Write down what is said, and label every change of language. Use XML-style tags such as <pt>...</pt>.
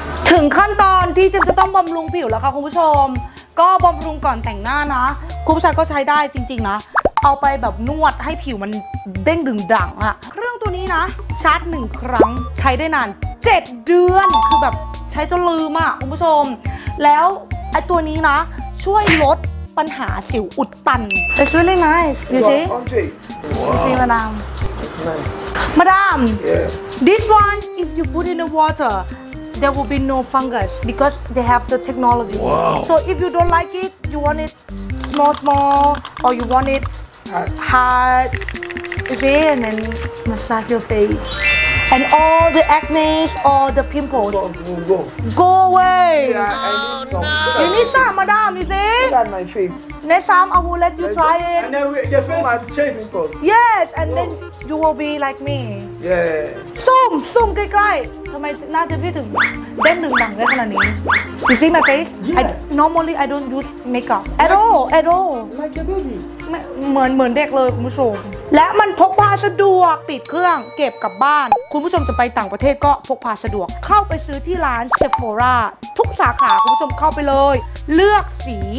<th>ถึงขั้นตอนที่จะต้องบำรุงผิวแล้วค่ะคุณผู้ชมก็บำรุงก่อนแต่งหน้านะคุณผู้ชมก็ใช้ได้จริงๆนะเอาไปแบบนวดให้ผิวมันเด้งดึงดังอะเครื่องตัวนี้นะชาร์จ1ครั้งใช้ได้นาน7เดือนคือแบบใช้จนลืมอ่ะคุณผู้ชมแล้วไอตัวนี้นะช่วยลดปัญหาสิวอุดตัน</th> <en>It's really nice You see? You see, madam nice. Madam yeah. This one, if you put in the water There will be no fungus Because they have the technology wow. So if you don't like it You want it small small Or you want it hard You see? And then massage your faceAnd all the acne, all the pimples, go away. Yeah, I need some. You need some, madam. You see? Look at my face. Next time, I will let you try it. And then your face will change pimples. Yes, and then you will be like me. Yeah.</en> <th>Zoom ใกล้ๆ ทำไม หน้าจะพี่ถึง เด้งดึงดังได้ขนาดนี้</th> <en>You see my face? Yeah. Normally, I don't use makeup at all. Like a baby.</en> <th>เหมือนเด็กเลยคุณผู้ชมและมันพกพาสะดวกปิดเครื่องเก็บกลับบ้านคุณผู้ชมจะไปต่างประเทศก็พกพาสะดวกเข้าไปซื้อที่ร้าน Sephora ทุกสาขาคุณผู้ชมเข้าไปเลยเลือกสี</th>